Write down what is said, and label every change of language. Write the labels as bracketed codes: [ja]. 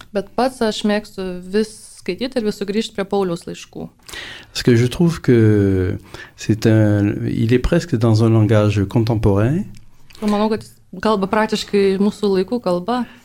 [lt] Bet pats aš mėgstu vis skaityti ir vis sugrįžti prie Pauliaus laiškų. [fr] Parce que je trouve que il est presque dans un langage contemporain. [lt] Manau, kad kalba praktiškai mūsų laikų kalba.